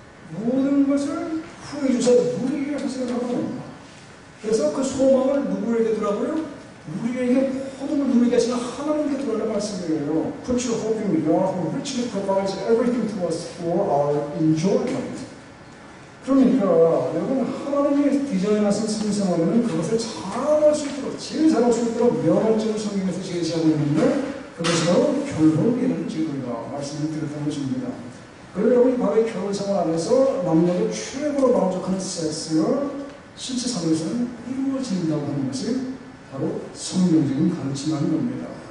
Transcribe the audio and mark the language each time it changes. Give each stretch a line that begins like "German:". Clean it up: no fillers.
Korean: 모든 것을 후회 주셔서 우리에게 하시는 겁니다. 그래서 그 소망을 누구에게 두라고요? 우리에게 모든 걸 누리게 하시는 하나님께 두라는 말씀이에요.
English: Put your hope in God who richly provides everything to us for our enjoyment.
Korean: 그러니까 여러분 하나님이 디자인하신 신생활에는 그것을 잘할 수 있도록 제일 잘할 수 있도록 면허증을 성경에서 제시하고 있는데 그것이 바로 결혼이라는 제도가 말씀을 드렸던 것입니다. 그리고 여러분이 바로 결혼 생활 안에서 남녀가 최고로 만족하는 섹스가 실제 삶에서는 이루어진다고 하는 것이 바로 성경적인 가르침이라는 겁니다.